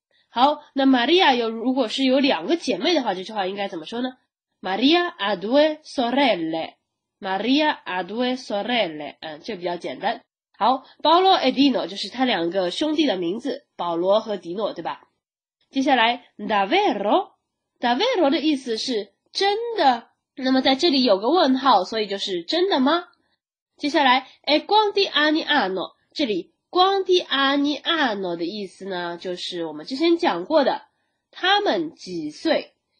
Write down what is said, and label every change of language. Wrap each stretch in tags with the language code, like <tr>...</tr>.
<zh>好，那 Maria 如果是有两个姐妹的话，这句话应该怎么说呢？</zh> <it>Maria ha due sorelle, Maria ha due sorelle,</it> <zh>这比较简单。好， Paolo e Dino 就是他两个兄弟的名字，保罗和迪诺，对吧？接下来 Davvero 的意思是真的，那么在这里有个问号，所以就是真的吗？接下来 ,</zh> <it>e quanti anni hanno,</it> <zh>这里</zh> <it>quanti anni hanno</it> <zh>的意思呢，就是我们之前讲过的他们几岁。</zh>